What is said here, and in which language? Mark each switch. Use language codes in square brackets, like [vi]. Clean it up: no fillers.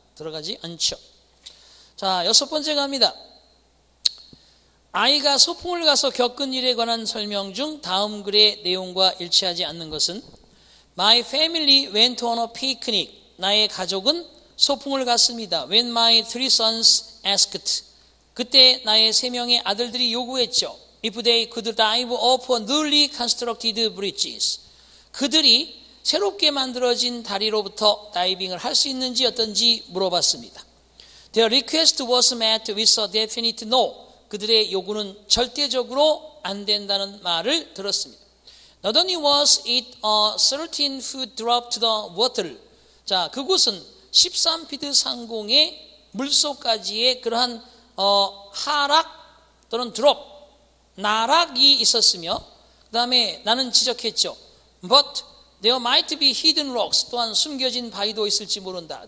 [ko] 들어가지 않죠. 자, 여섯 번째 갑니다. 아이가 소풍을 가서 겪은 일에 관한 설명 중 다음 글의 내용과 일치하지 않는 것은 [en] My family went on a picnic. [ko] 나의 가족은 소풍을 갔습니다. [en] When my three sons asked. [ko] 그때 나의 세 명의 아들들이 요구했죠. [en] If they could dive off a newly constructed bridges. [ko] 그들이 새롭게 만들어진 다리로부터 다이빙을 할 수 있는지 어떤지 물어봤습니다. [en] Their request was met with a definite no. [ko] 그들의 요구는 절대적으로 안 된다는 말을 들었습니다. [en] Not only was it a 13-foot drop to the water. [ko] 자, 그곳은 13피트 상공의 물속까지의 그러한 하락 또는 드롭, 나락이 있었으며 그 다음에 나는 지적했죠. [en] But there might be hidden rocks. [ko] 또한 숨겨진 바위도 있을지 모른다.